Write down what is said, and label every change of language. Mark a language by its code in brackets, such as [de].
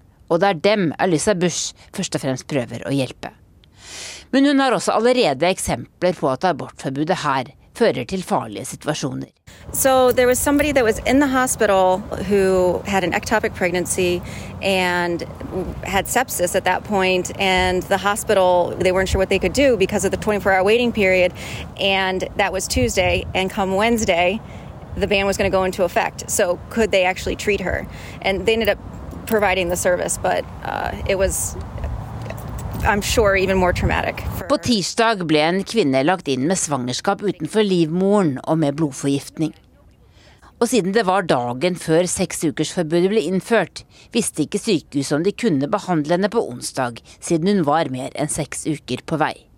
[no] Og det dem Alyssa Bush først og fremst prøver å hjelpe. Men hun har også allerede eksempler på at abortforbudet her fører til farlige situasjoner. [en] So there was somebody that was in the hospital who had an ectopic pregnancy and had sepsis at that point and the hospital they weren't sure what they could do because of the 24-hour waiting period and that was Tuesday and come Wednesday the ban was going to go into effect. So could they actually treat her? And they ended up providing the service but it was I'm sure even more traumatic. [no] På tirsdag ble en kvinne lagt inn med svangerskap utenfor livmoren og med blodforgiftning. Og siden det var dagen før 6-ukersforbudet ble innført, visste ikke sykehuset om de kunne behandle henne på onsdag, siden hun var mer enn 6 uker på vei.